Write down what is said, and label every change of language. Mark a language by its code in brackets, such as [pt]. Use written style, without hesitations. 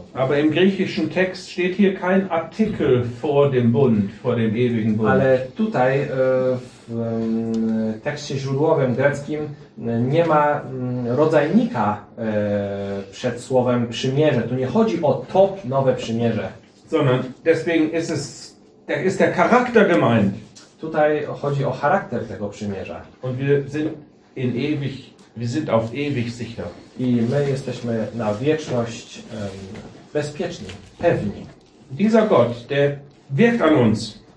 [de] Aber im griechischen Text steht hier kein Artikel vor dem Bund, vor dem ewigen Bund. [pl] Ale tutaj w tekście źródłowym greckim nie ma rodzajnika przed słowem przymierze. Tu nie chodzi o to nowe przymierze. [de] Sondern deswegen ist der Charakter gemeint. [pl] Tutaj chodzi o charakter tego przymierza. [de] Und wir sind auf ewig sicher. [pl] I my jesteśmy na wieczność bezpieczni, pewni. [de] Dieser Gott, der wirkt an uns.